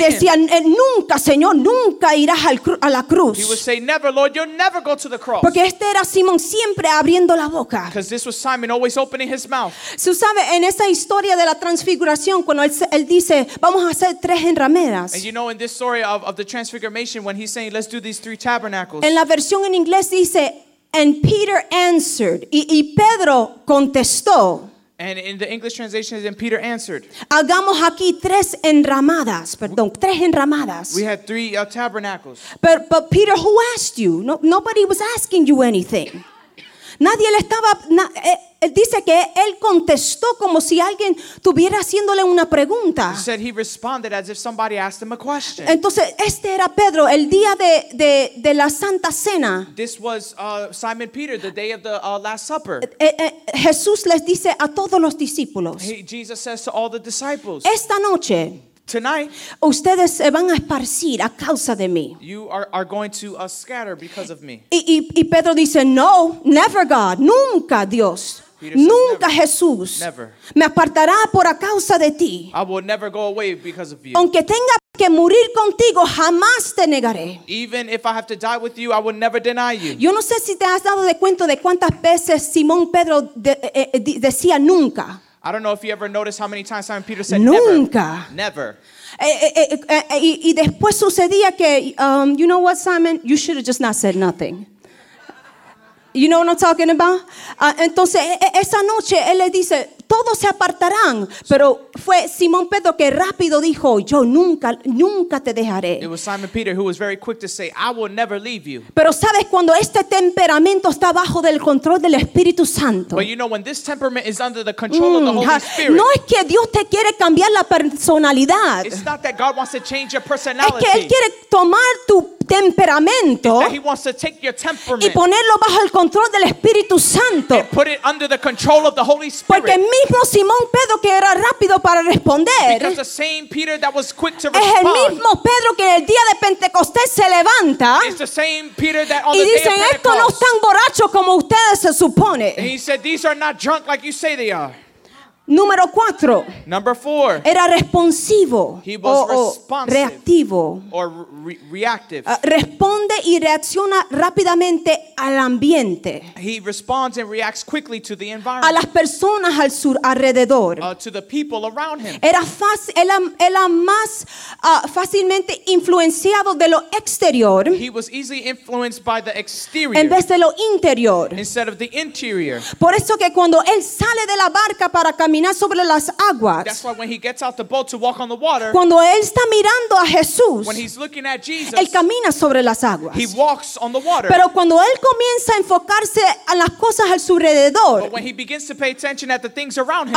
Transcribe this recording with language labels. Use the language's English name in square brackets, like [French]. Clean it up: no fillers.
[Spanish] Y decía, nunca, Señor, nunca irás a la cruz. [English] He would say, never, Lord, you'll never go to the cross. [Spanish] Porque este era Simón siempre abriendo la boca. [English] Because this was Simon always opening his mouth. [Spanish] Tú sabes, en esa historia de la transfiguración, cuando él dice, vamos a hacer tres enramadas. [English] And you know, in this story of the transfiguration, when he's saying, let's do these three tabernacles. [Spanish] En la versión en inglés dice, [English] and Peter answered, [Spanish] y Pedro contestó. [English] And in the English translation, then Peter answered. [Spanish] Hagamos aquí tres enramadas, perdón, tres enramadas. [English] We had three tabernacles. But Peter, who asked you? No, nobody was asking you anything. [Spanish] Nadie le estaba... Él dice que él contestó como si alguien estuviera haciéndole una pregunta. [English] He said he responded as if somebody asked him a question. [Spanish] Entonces, este era Pedro, el día de la Santa Cena. [English] This was Simon Peter, the day of the Last Supper. [Spanish] Jesús les dice a todos los discípulos. [English] Jesus says to all the disciples. [Spanish] Esta noche... [English] Tonight, [Spanish] ustedes se van a esparcir a causa de mí. [English] You are going to scatter because of me. [Spanish] Y Pedro dice, no, [English] never God, [Spanish] nunca Dios, [English] Peter [Spanish] nunca [English] says, [Spanish] Jesús. [English] Never. [Spanish] Me apartará por a causa de ti. [English] I will never go away because of you. [Spanish] Aunque tenga que morir contigo, jamás te negaré. [English] Even if I have to die with you, I will never deny you. [Spanish] Yo no sé si te has dado de cuenta de cuántas veces Simón Pedro decía nunca. [English] I don't know if you ever noticed how many times Simon Peter said [Spanish] nunca. [English] Never. [Spanish] Y después sucedía que, [English] you know what, Simon? You should have just not said nothing. You know what I'm talking about? [Spanish] Entonces, esa noche, él le dice, todos se apartarán. Pero fue Simón Pedro que rápido dijo, yo nunca, nunca te dejaré. [English] It was Simon Peter who was very quick to say, I will never leave you. [Spanish] Pero sabes, cuando este temperamento está bajo del control del Espíritu Santo. [English] But you know, when this temperament is under the control of the Holy Spirit. [Spanish] No es que Dios te quiere cambiar la personalidad. [English] It's not that God wants to change your personality. [Spanish] Es que Él quiere tomar tu temperamento [English] that he wants to take your temperament [Spanish] y ponerlo bajo el control del Espíritu Santo. [English] And put it under the control of the Holy Spirit. [Spanish] Porque mismo Simón Pedro que era rápido para responder, [English] because the same Peter that was quick to [Spanish] es [English] respond, [Spanish] el mismo Pedro que el día de Pentecostés se levanta [English] is the same Peter that on [Spanish] y dicen, estos no están borrachos como ustedes se suponen. [English] And he said, these are not drunk like you say they are. [Spanish] Número cuatro. [English] Number four. [Spanish] Era responsivo. [English] He was responsive. [Spanish] Reactivo. [English] Or reactive. [Spanish] Responde y reacciona rápidamente al ambiente. [English] He responds and reacts quickly to the environment. [Spanish] A las personas al sur alrededor. [English] To the people around him. [Spanish] Era fácil. Era más fácilmente influenciado de lo exterior. [English] He was easily influenced by the exterior. [Spanish] En vez de lo interior. [English] Instead of the interior. [Spanish] Por eso que cuando él sale de la barca para caminar sobre las aguas. [English] That's why when he gets out the boat to walk on the water. [Spanish] Cuando él está mirando a Jesús. [English] When he's looking at Jesus. [Spanish] Él camina sobre las aguas. [English] He walks on the water. [Spanish] Pero cuando él comienza a enfocarse en las cosas a su alrededor. [English] But when he begins to pay attention at the things around him.